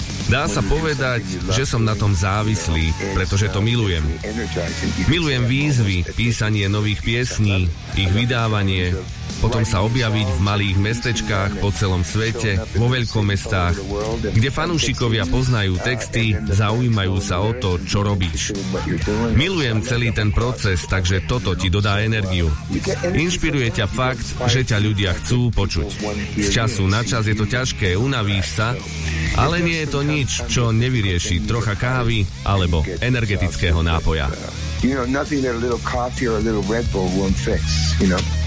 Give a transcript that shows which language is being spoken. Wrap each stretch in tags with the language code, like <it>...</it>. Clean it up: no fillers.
<sk>Dá sa povedať, že som na tom závislý, pretože to milujem. Milujem výzvy, písanie nových piesní, ich vydávanie, potom sa objaviť v malých mestečkách po celom svete, vo veľkomestách, kde fanúšikovia poznajú texty, zaujímajú sa o to, čo robíš. Milujem celý ten proces, takže toto ti dodá energiu. Inšpiruje ťa fakt, že ťa ľudia chcú počuť. Z času na čas je to ťažké, unavíš sa, ale nie je to nič, čo nevyrieši trocha kávy alebo energetického nápoja.</sk> <en>You know, nothing that a little coffee or a little Red Bull won't fix, you know?</en>